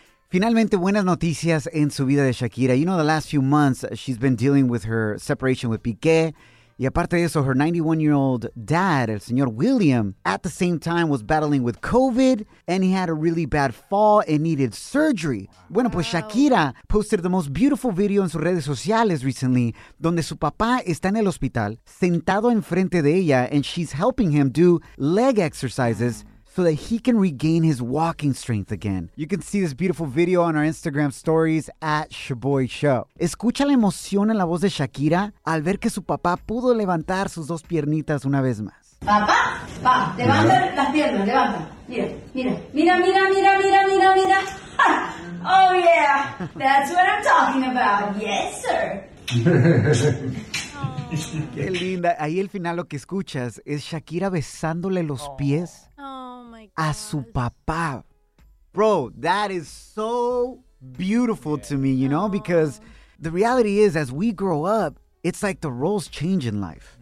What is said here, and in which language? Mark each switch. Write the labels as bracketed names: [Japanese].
[Spanish] Finalmente, buenas noticias en su vida de Shakira. [English] You know, the last few months, she's been dealing with her separation with Piqué. [Spanish] Y aparte de eso, [English] her 91-year-old dad, [Spanish] el señor William, [English] at the same time was battling with COVID, and he had a really bad fall and needed surgery. [Spanish] Bueno, pues [English] Shakira posted the most beautiful video [Spanish] en sus redes sociales [English] recently, [Spanish] donde su papá está en el hospital, sentado enfrente de ella, [English] and she's helping him do leg exercises so that he can regain his walking strength again. You can see this beautiful video on our Instagram stories at Shaboy Show. [Spanish] Escucha la emoción en la voz de Shakira al ver que su papá pudo levantar sus dos piernitas una vez más. Papá, pa, levanta las piernas, levanta. Mira, mira, mira, mira, mira, mira, mira. [English] Oh, yeah. That's what I'm talking about. Yes, sir. [Spanish] Qué linda. Ahí al final lo que escuchas es Shakira besándole los pies a su papá. [English] Bro, that is so beautiful to me, you know, because the reality is, as we grow up, it's like the roles change in life.